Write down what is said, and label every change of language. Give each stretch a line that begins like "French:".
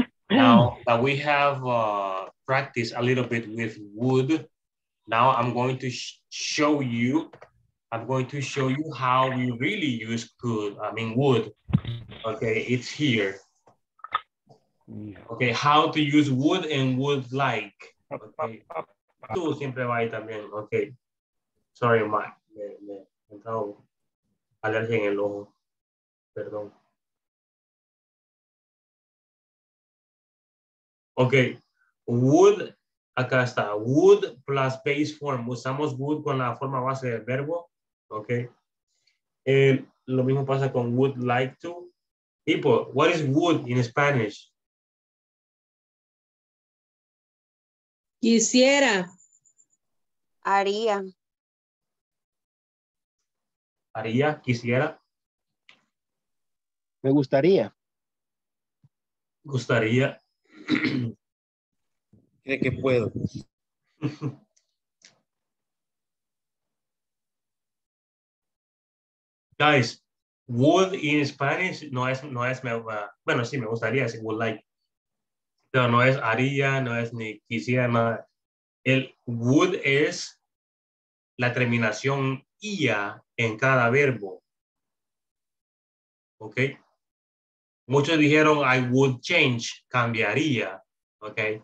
English: Now that we have practiced a little bit with would, now I'm going to show you how you really use would, okay? It's here. Okay, how to use would and would like.
Spanish: Okay. Tú siempre va ahí también, okay. Sorry, Mike, me he entrado alergia en el ojo. Perdón.
English: Okay, would,
Spanish: acá está,
English: would plus base form.
Spanish: Usamos would con la forma base del verbo, okay? Lo mismo pasa con would like to.
English: People, what is would in Spanish?
Spanish: Quisiera. Haría. Haría, quisiera. Me gustaría. Gustaría. Cree que puedo.
English: Guys, would in Spanish
Spanish: no es me, bueno, sí, me gustaría, sí, would like. Pero no es haría, no es ni quisiera, nada. El would es la terminación ia en cada verbo. Ok. Muchos dijeron
English: I would change,
Spanish: cambiaría. Ok.